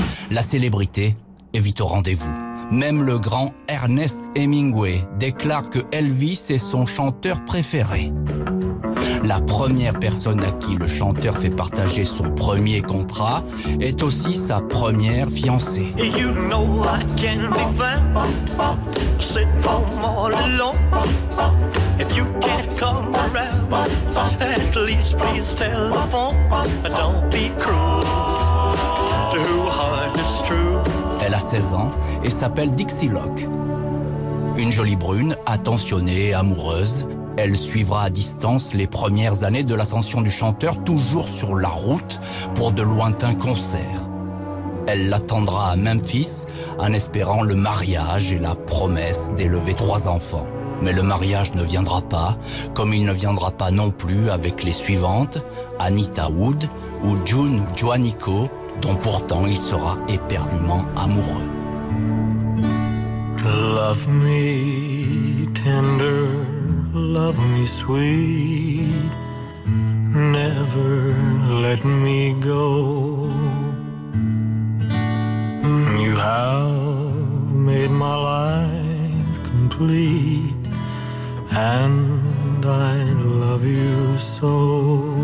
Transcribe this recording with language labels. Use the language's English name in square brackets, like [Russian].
[French] La célébrité est vite au rendez-vous. Même le grand Ernest Hemingway déclare que Elvis est son chanteur préféré. La première personne à qui le chanteur fait partager son premier contrat est aussi sa première fiancée. [English] You know I can be fine, sitting home all alone. If you can't come around, at least please tell the phone. Don't be cruel to who heart is true. [French] Elle a 16 ans et s'appelle Dixie Locke. Une jolie brune, attentionnée, amoureuse. Elle suivra à distance les premières années de l'ascension du chanteur, toujours sur la route pour de lointains concerts. Elle l'attendra à Memphis en espérant le mariage et la promesse d'élever 3 enfants. Mais le mariage ne viendra pas, comme il ne viendra pas non plus avec les suivantes, Anita Wood ou June Joannico, dont pourtant il sera éperdument amoureux. [English] Love me tender, love me sweet, never let me go. You have made my life complete, and I love you so.